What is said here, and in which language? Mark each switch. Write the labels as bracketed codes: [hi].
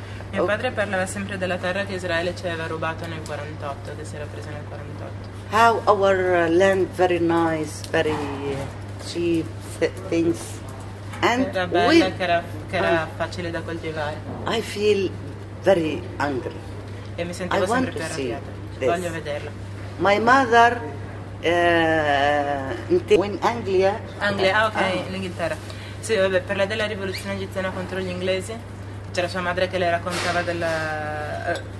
[it] Mio padre parlava sempre della terra che Israele ci aveva rubato nel 48, che si era presa nel 48. [en] How our land very nice, very cheap things. [it] And era bella, che era facile da coltivare. [en] I feel very angry. [it] E mi sentivo sempre più arrabbiata. Voglio vederla. [en] My mother in Anglia. [it] Anglia, in Inghilterra. Sì, vabbè, per lei della rivoluzione egiziana contro gli inglesi. C'era sua madre che le raccontava della.